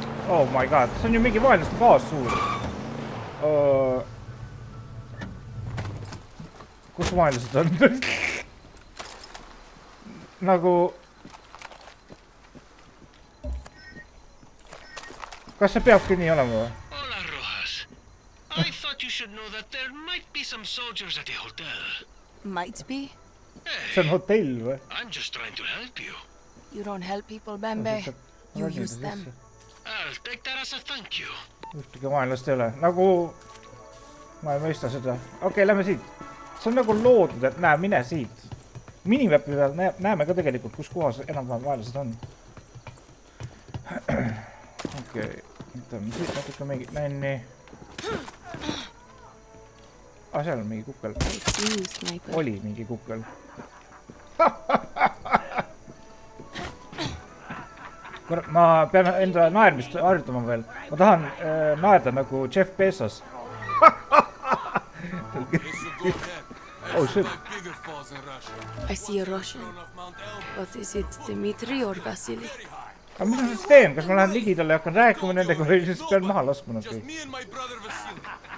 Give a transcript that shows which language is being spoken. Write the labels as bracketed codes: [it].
[et] Oh my god, see on ju mingi vaenlaste baas suur. Kus vaenlased on? Nagu... Kas see peabki nii olema või? [es] Hola, Rojas. [en] I thought you should know that there might be some soldiers at the hotel. Might be? Hey, [et] see on hotell või? [en] I'm just trying to help you. You don't help people, Bembe. You use them. I'll take that as a thank you. [et] Ühtegi vaenlast ei ole. Nagu... Ma ei mõista seda. Okei, lähme siit. See on nagu loodud, et näe, mine siit. Minimäppi peal näeme ka tegelikult, kus kohas enam-vähem vaelased on. Okei, võtame siit natuke mingi nänni. Ah, seal on mingi kukkel. Oli mingi kukkel. Kurat, ma pean enda naermist harjutama veel. Ma tahan naerda nagu Jeff Bezos. [en] Oh, shit. I see a Russian, but is it Dmitri or Vasily? [et] Aga mis on siis teem? Kas ma lähen ligidale ja hakkan rääkuma nendega või siis pean maha laskma nad kõik?